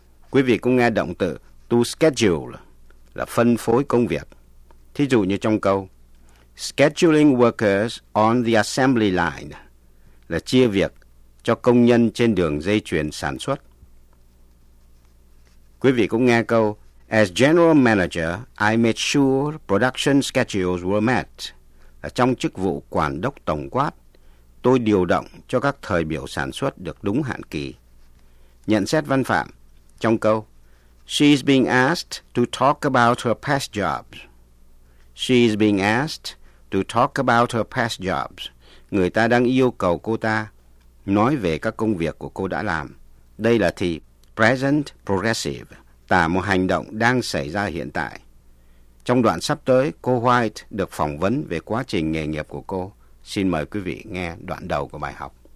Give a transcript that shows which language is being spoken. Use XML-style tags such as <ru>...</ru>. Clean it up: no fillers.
<vi>Quý vị cũng nghe động từ to schedule, là phân phối công việc. Thí dụ như trong câu,</vi> <en>scheduling workers on the assembly line,</en> <vi>là chia việc cho công nhân trên đường dây chuyền sản xuất. Quý vị cũng nghe câu,</vi> <en>as general manager, I made sure production schedules were met.</en> <vi>Trong chức vụ quản đốc tổng quát, tôi điều động cho các thời biểu sản xuất được đúng hạn kỳ. Nhận xét văn phạm trong câu,</vi> <en>she's being asked to talk about her past jobs. She's being asked to talk about her past jobs.</en> <vi>Người ta đang yêu cầu cô ta nói về các công việc của cô đã làm. Đây là thì present progressive, tả một hành động đang xảy ra hiện tại. Trong đoạn sắp tới, cô White được phỏng vấn về quá trình nghề nghiệp của cô. Xin mời quý vị nghe đoạn đầu của bài học.</vi>